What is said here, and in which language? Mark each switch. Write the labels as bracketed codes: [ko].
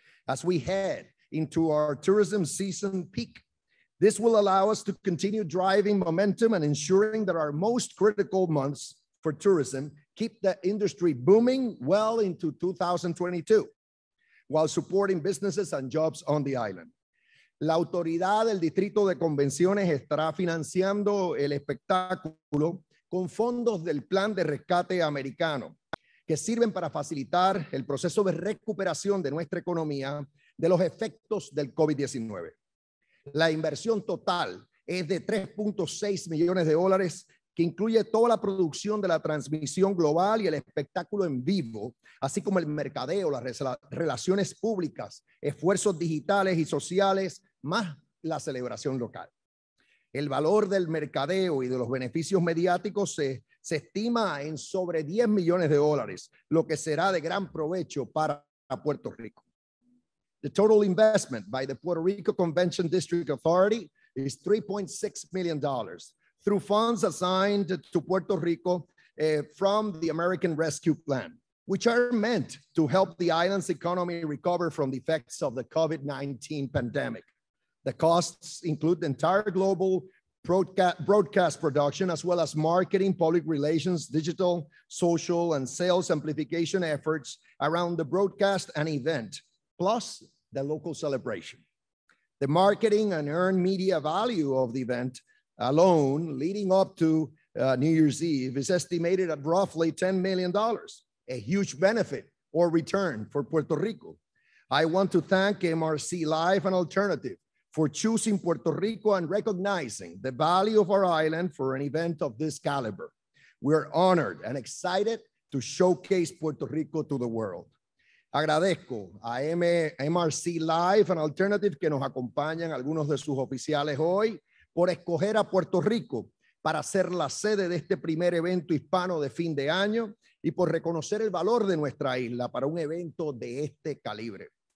[en] As we head into our tourism season peak, this will allow us to continue driving momentum and ensuring that our most critical months for tourism keep the industry booming well into 2022, while supporting businesses and jobs on the island. [es] La autoridad del Distrito de Convenciones estará financiando el espectáculo con fondos del Plan de Rescate Americano, que sirven para facilitar el proceso de recuperación de nuestra economía de los efectos del COVID-19. La inversión total es de $3.6 millones, que incluye toda la producción de la transmisión global y el espectáculo en vivo, así como el mercadeo, las relaciones públicas, esfuerzos digitales y sociales, más la celebración local. El valor del mercadeo y de los beneficios mediáticos se estima en sobre $10 millones, lo que será de gran provecho para Puerto Rico. [en] The total investment by the Puerto Rico Convention District Authority is $3.6 million through funds assigned to Puerto Rico from the American Rescue Plan, which are meant to help the island's economy recover from the effects of the COVID-19 pandemic. The costs include the entire global broadcast production, as well as marketing, public relations, digital, social, and sales amplification efforts around the broadcast and event, plus the local celebration. The marketing and earned media value of the event alone leading up to New Year's Eve is estimated at roughly $10 million, a huge benefit or return for Puerto Rico. I want to thank MRC Live and Alternative for choosing Puerto Rico and recognizing the value of our island for an event of this caliber. We are honored and excited to showcase Puerto Rico to the world. [es] Agradezco a MRC Live and Alternative que nos acompañan algunos de sus oficiales hoy por escoger a Puerto Rico para ser la sede de este primer evento hispano de fin de año y por reconocer el valor de nuestra isla para un evento de este calibre.